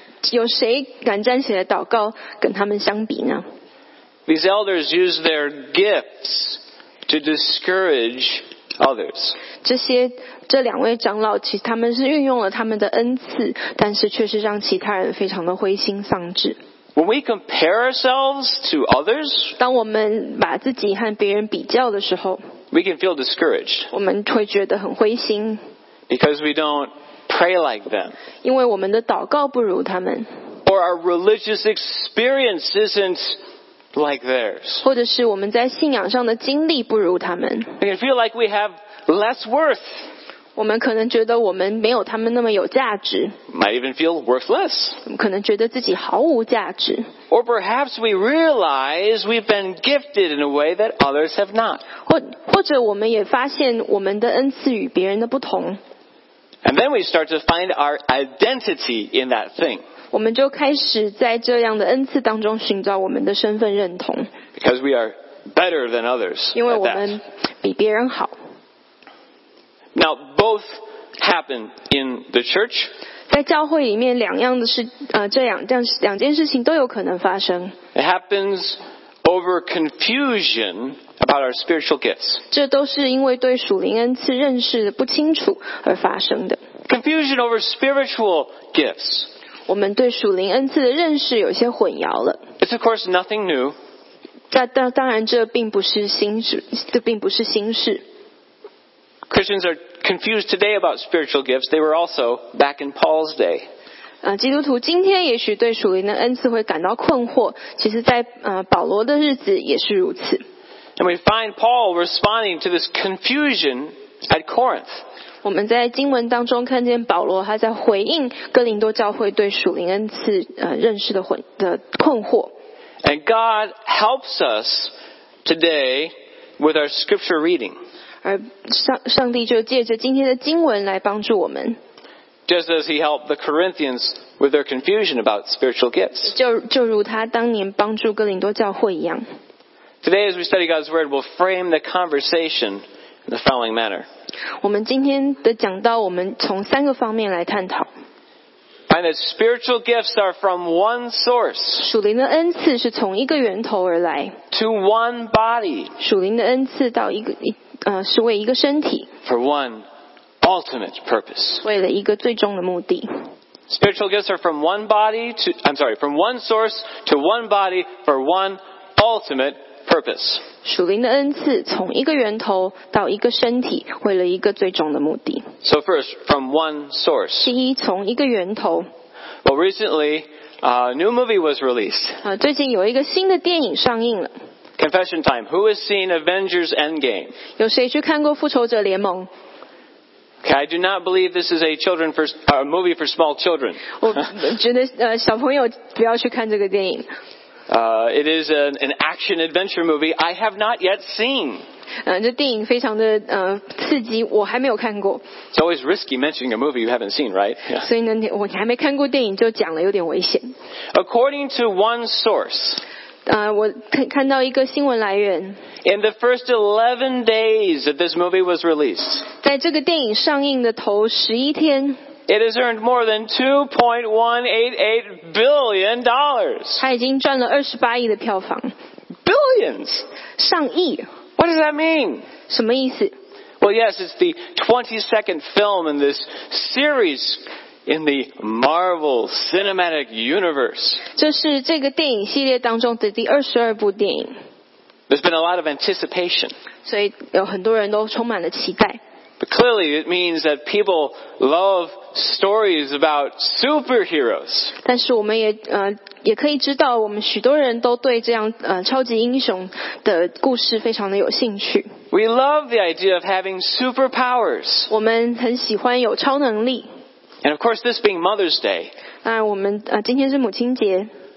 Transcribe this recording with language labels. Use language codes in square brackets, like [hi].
[zh] 有谁敢站起来祷告跟他们相比呢？ [en] These elders use their gifts to discourage others. [zh] 这两位长老其实他们是运用了他们的恩赐，但是却是让其他人非常的灰心丧志。 [en] When we compare ourselves to others, [zh] 当我们把自己和别人比较的时候 [en] we can feel discouraged. [zh] 我们会觉得很灰心。 [en] Because we don't pray like them. [zh] 因为我们的祷告不如他们。 [en] Or our religious experience isn't like theirs. [zh] 或者是我们在信仰上的经历不如他们。 [en] We can feel like we have less worth. [zh] 我们可能觉得我们没有他们那么有价值 [en] Might even feel worthless. [zh] 我们可能觉得自己毫无价值 [en] Or perhaps we realize we've been gifted in a way that others have not. [zh] 或者我们也发现我们的恩赐与别人的不同 [en] And then we start to find our identity in that thing. [zh] 我们就开始在这样的恩赐当中寻找我们的身份认同 [en] Because we are better than others. [zh] 因为我们比别人好 [en] Now, both happened in the church. [zh] 在教会里面两样的事两件事情都有可能发生。 [en] It happens over confusion about our spiritual gifts. [zh] 这都是因为对属灵恩赐认识的不清楚而发生的。 [en] Confusion over spiritual gifts. [zh] 我们对属灵恩赐的认识有些混淆了。 [en] It's of course nothing new. [zh] 当然这并不是新事。 [en] Christians are confused today about spiritual gifts. They were also back in Paul's day. [zh] 基督徒今天也许对属灵的恩赐会感到困惑，其实在保罗的日子也是如此。 [en] And we find Paul responding to this confusion at Corinth. [zh] 我们在经文当中看见保罗他在回应哥林多教会对属灵恩赐认识的困惑。 [en] And God helps us today with our scripture reading. [zh] 而上帝就借着今天的经文来帮助我们。 [en] Just as he helped the Corinthians with their confusion about spiritual gifts. [zh] 就如他当年帮助哥林多教会一样。 [en] Today as we study God's word, we'll frame the conversation in the following manner. [zh] 我们今天的讲道我们从三个方面来探讨。 [en] And that spiritual gifts are from one source. [zh] 属灵的恩赐是从一个源头而来。 [en] To one body. [zh] 属灵的恩赐到一个是为一个身体。 [en] For one ultimate purpose. [zh] 为了一个最终的目的。 [en] Spiritual gifts are from one body to, I'm sorry, from one source to one body for one ultimate purpose. [zh] 属灵的恩赐从一个源头到一个身体，为了一个最终的目的。 [en] So first, from one source. [zh] 第一，从一个源头。 [en] Well, recently, a new movie was released. [zh] 最近有一个新的电影上映了。 [en] Confession time. Who has seen Avengers Endgame? [zh] 有谁去看过复仇者联盟？ [en] Okay, I do not believe this is a movie for small children. [zh] 我觉得小朋友不要去看这个电影。 [en] It is an action adventure movie I have not yet seen. [zh] 这电影非常的刺激，我还没有看过。 [en] It's always risky mentioning a movie you haven't seen, right? [zh] 所以呢，我还没看过电影就讲了，有点危险。 [en] According to one source. [zh] 我看到一个新闻来源。 [en] In the first 11 days that this movie was released, [zh] 在这个电影上映的头11天, [en] it has earned more than $2.188 billion. [zh] 它已经赚了28亿的票房。 [en] Billions! [zh] 上亿。 [en] What does that mean? [zh] 什么意思? [en] Well, yes, it's the 22nd film in this series. In the Marvel Cinematic Universe. [zh] 这是这个电影系列当中的第22部电影。 [en] There's been a lot of anticipation. [zh] 所以有很多人都充满了期待。 [en] But clearly, it means that people love stories about superheroes. [zh] 但是我们也可以知道，我们许多人都对这样超级英雄的故事非常的有兴趣。 [en] We love the idea of having superpowers. [zh] 我们很喜欢有超能力。 [en] And of course, this being Mother's Day, [zh] 那我们今天是母亲节。